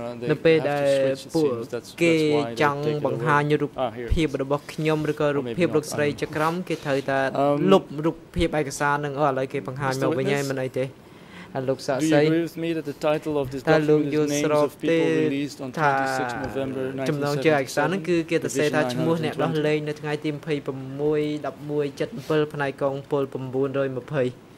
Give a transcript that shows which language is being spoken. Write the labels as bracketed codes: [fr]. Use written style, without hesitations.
[km] នៅពេលដែលពួកគេចង់បង្ហាញរូបភាពរបស់ខ្ញុំឬក៏រូបភាពលោកស្រីចក្រមគេត្រូវតែលុបរូបភាពឯកសារនឹងអូឥឡូវគេបង្ហាញមកវិញហើយមិនអីទេ [en] He looks at say Do you agree with me that the title of this document is names of people released on 26 November 1977 [km] គឺគេតែថាឈ្មោះអ្នកដោះលែងនៅថ្ងៃទី26/11/77ផ្នែកកងពល920